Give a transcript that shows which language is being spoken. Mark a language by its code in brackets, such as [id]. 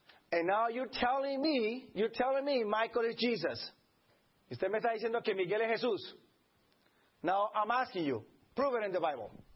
[en] And now you're telling me Michael is Jesus. [es] Usted me está diciendo que Miguel es Jesús. [en] Now I'm asking you, prove it in the Bible.